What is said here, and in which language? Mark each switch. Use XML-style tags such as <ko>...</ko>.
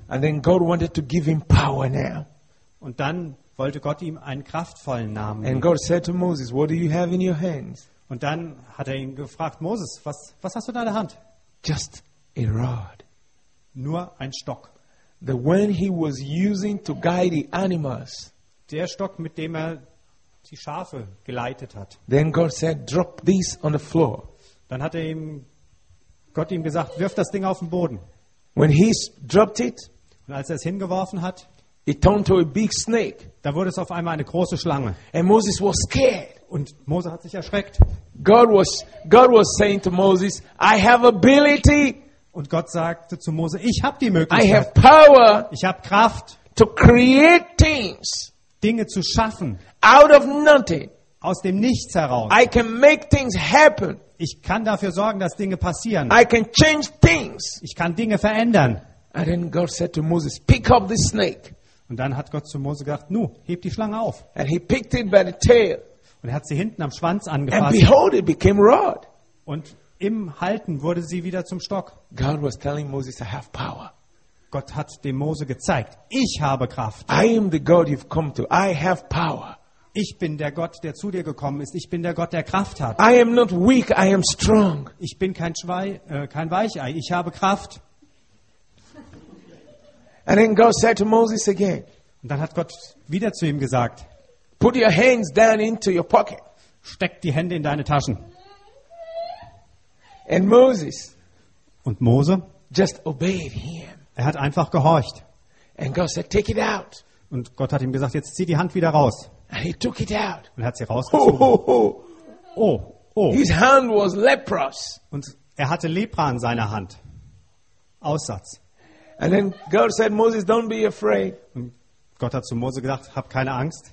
<en>And then God wanted to give him power now.</en> <de>Und dann wollte Gott ihm einen kraftvollen Namen geben.</de> <en>And God said to Moses, what do you have in your hands?</en> <de>Und dann hat er ihn gefragt, Moses, was hast du in deiner Hand?</de> <en>Just a rod.</en> <de>Nur ein Stock.</de> <en>The one he was using to guide the animals.</en> <de>Der Stock, mit dem er die Schafe geleitet hat.</de> <en>Then God said, drop this on the floor.</en> <de>Dann hat er ihm Gott ihm gesagt, wirf das Ding auf den Boden.</de> <en>When he dropped it,</en> <de>und als er es hingeworfen hat,</de> <en>it turned to a big snake.</en> <de>Da wurde es auf einmal eine große Schlange.</de> <en>And Moses was scared.</en> <de>Und Mose hat sich erschreckt.</de> <en>God was saying to Moses, I have ability.</en> <de>Und Gott sagte zu Mose, ich habe die Möglichkeit.</de> <en>I have power.</en> <de>Ich habe Kraft.</de> <en>To create things.</en> <de>Dinge zu schaffen.</de> <en>Out of nothing.</en> <de>Aus dem Nichts heraus.</de> <en>I can make things happen.</en> <de>Ich kann dafür sorgen, dass Dinge passieren.</de> <en>I can change things.</en> <de>Ich kann Dinge verändern.</de> <en>And then God said to Moses, pick up the snake.</en> <de>Und dann hat Gott zu Mose gesagt, nu, heb die Schlange auf.</de> <en>And he picked it by the tail.</en> <de>Und er hat sie hinten am Schwanz angefasst.</de> <en>And behold, it became rod.</en> <de>Und im Halten wurde sie wieder zum Stock.</de> <en>God was telling Moses, I have power.</en> <de>Gott hat dem Mose gezeigt, ich habe Kraft.</de> <en>I am the God you've come to. I have power.</en> <de>Ich bin der Gott, der zu dir gekommen ist. Ich bin der Gott, der Kraft hat.</de> <en>I am not weak, I am strong.</en> <de>Ich bin kein Weichei. Ich habe Kraft.</de> <en>And then God said to Moses again.</en> <de>Und dann hat Gott wieder zu ihm gesagt,</de> <en>put your hands down into your pocket.</en> <de>Steck die Hände in deine Taschen.</de> <en>And Moses.</en> <de>Und Mose.</de> <en>Just obeyed him.</en> <de>Er hat einfach gehorcht.</de> <en>And God said, take it out.</en> <de>Und Gott hat ihm gesagt, jetzt zieh die Hand wieder raus.</de> <en>And he took it out.</en> <de>Und er hat sie rausgezogen. Oh, oh, oh. Oh, oh.</de> <en>His hand was leprous.</en> <de>Und er hatte Lepra an seiner Hand. Aussatz.</de> <en>And then God said, Moses, don't be afraid.</en> <de>Gott hat zu Mose gesagt, hab keine Angst.</de>